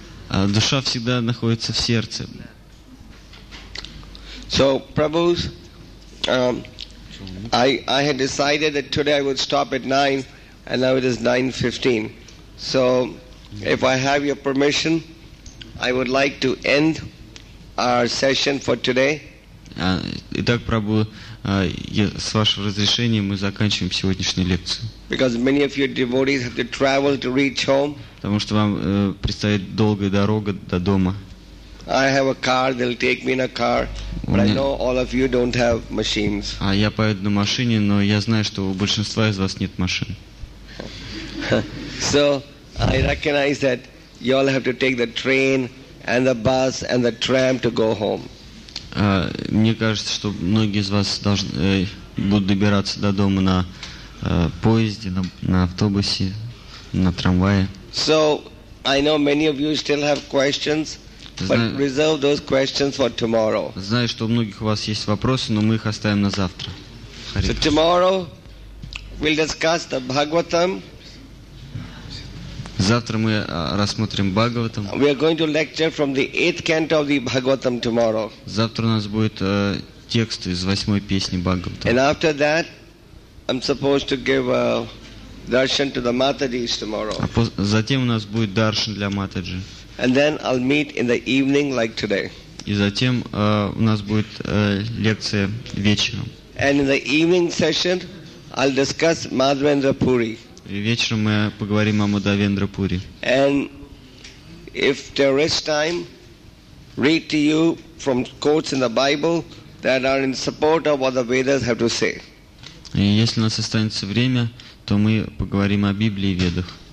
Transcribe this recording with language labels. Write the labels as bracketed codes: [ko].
[ru] душа всегда находится в сердце. [en] So, Prabhus, I had decided that today I would stop at 9, and now it is 9:15. So, if I have your permission, I would like to end our session for today. [ru] Итак, Прабху, с вашего разрешения мы заканчиваем сегодняшнюю лекцию. [en] Because many of your devotees have to travel to reach home. [ru] Потому что вам предстоит долгая дорога до дома. [en] I have a car, they'll take me in a car, but I know all of you don't have machines. [ru] А я поеду на машине, но я знаю, что у большинства из вас нет машин. [en] So I recognize that you all have to take the train and the bus and the tram to go home. [ru] Мне кажется, что многие из вас будут добираться до дома на поезде, на автобусе, на трамвае. [en] So, I know many of you still have questions, but reserve those questions for tomorrow. [ru] Знаю, что у многих у вас есть вопросы, но мы их оставим на завтра. [en] So tomorrow we'll discuss the Bhagavatam. [ru] Завтра мы рассмотрим Бхагаватам. [en] We are going to lecture from the 8th canto of the Bhagavatam tomorrow. [ru] Завтра у нас будет текст из восьмой песни Бхагаватам. [en] And after that, I'm supposed to give a darshan to the Matadis tomorrow. [ru] Затем у нас будет даршан для Матаджи. [en] And then I'll meet in the evening like today. [ru] И затем у нас будет лекция вечером. [en] And in the evening session, I'll discuss Madhavendra Puri. [ru] И вечером мы поговорим о Мадхавендра Пури. [en] And if there is time, read to you from quotes in the Bible that are in support of what the Vedas have to say. [ru] И если у нас останется время, то мы поговорим о Библии и Ведах.